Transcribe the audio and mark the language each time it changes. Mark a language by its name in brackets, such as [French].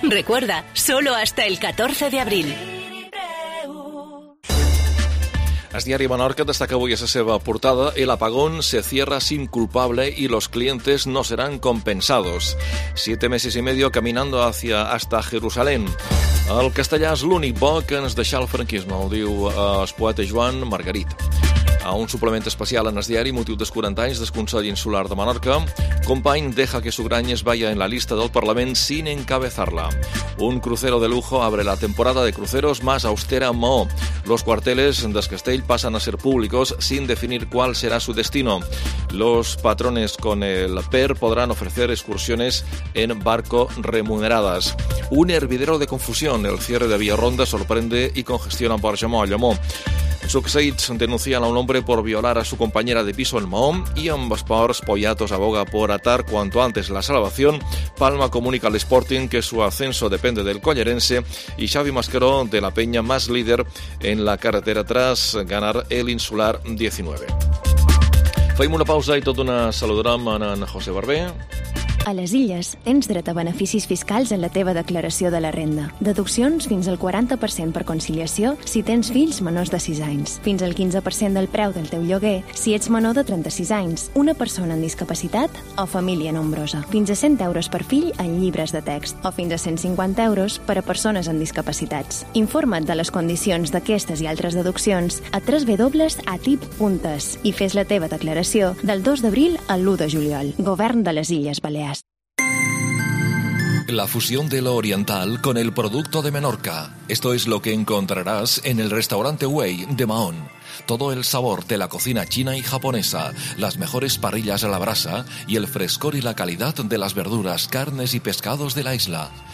[Spanish] Recuerda, solo hasta el 14 de abril. [Catalan] El diari Menorca destaca avui a la seva portada [Spanish] el apagón se cierra sin culpable y los clientes no serán compensados. 7 meses y medio caminando hasta Jerusalén. [Catalan] El castellà és l'únic bo que ens deixa el franquisme, ho diu el poeta Joan Margarit. A un suplement especial en el diari, motiu dels 40 anys del Consell Insular de Menorca, Company [Spanish] deja que Sugranyes vaya en la lista del Parlament sin encabezarla. Un crucero de lujo abre la temporada de cruceros más austera en Mahó. Los cuarteles del castell passen a ser públicos sin definir cuál será su destino. Los patrones con el PER podrán ofrecer excursiones en barco remuneradas. Un hervidero de confusión. El cierre de Villarronda sorprende y congestiona por Llamó. Succeïts denuncia a un hombre por violar a su compañera de piso en Mahón y amb esports Poyatos aboga por atar cuanto antes la salvación. Palma comunica al Sporting que su ascenso depende del Collerense y Xavi Masqueró de la Peña más líder en la carretera tras ganar el Insular 19. [Catalan] Fem una pausa i tot una saludarem en José Barber. A les Illes tens dret a beneficis fiscals en la teva declaració de la renda. Deduccions fins al 40% per conciliació si tens fills menors de 6 anys. Fins al 15% del preu del teu lloguer si ets menor de 36 anys, una persona amb discapacitat o família nombrosa. Fins a 100 euros per fill en llibres de text o fins a 150 euros per a persones amb discapacitats. Informa't de les condicions d'aquestes i altres deduccions a www.atip.es i fes la teva declaració del 2 d'abril al 1 de juliol. Govern de les Illes Balears. [Spanish] La fusión de lo oriental con el producto de Menorca. Esto es lo que encontrarás en el restaurante Wei de Mahón. Todo el sabor de la cocina china y japonesa, las mejores parrillas a la brasa y el frescor y la calidad de las verduras, carnes y pescados de la isla.